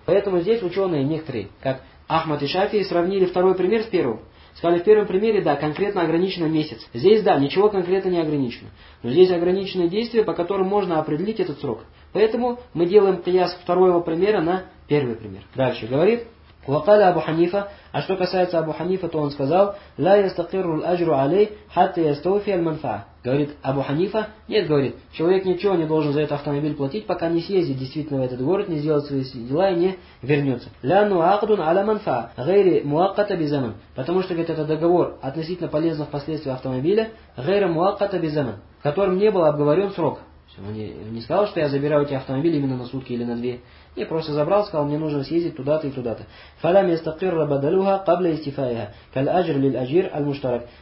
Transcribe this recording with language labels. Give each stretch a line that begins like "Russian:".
Russian: Поэтому здесь ученые некоторые, как Ахмад и Шафии, сравнили второй пример с первым. Сказали, в первом примере, да, конкретно ограничено месяц. Здесь, да, ничего конкретно не ограничено. Но здесь ограничены действия, по которым можно определить этот срок. Поэтому мы делаем кияс второго примера на первый пример. Дальше говорит...
Arabic: وقال أبو حنيفة أشتو
Russian: касается
Arabic: أبو حنيفة
Russian: то он сказал
Arabic: لا يستقر الأجر عليه حتى يستوفي المنفعة.
Russian: Говорит Абу Ханифа, нет, говорит, человек ничего не должен за этот автомобиль платить, пока не съездит действительно в этот город, не сделает свои дела и не вернется.
Arabic: لأنه عقد على منفعة غير مؤقتة بزمن.
Russian: Потому что, говорит, это договор относительно полезных последствий автомобиля
Arabic: غير مؤقتة بزمن,
Russian: в котором не был обговорен срок. Он не сказал, что я забираю эти автомобили именно на сутки или на две. Не, просто забрал, сказал, мне нужно съездить туда-то и туда-то.
Arabic: فَلَمْ يَسْتَقِرَّ بَدَلُهَا قَبْلَ إِسْتِفَائِهَا كَالْأَجْرْ لِلْأَجْرِ الْمُشْتَرَكِ.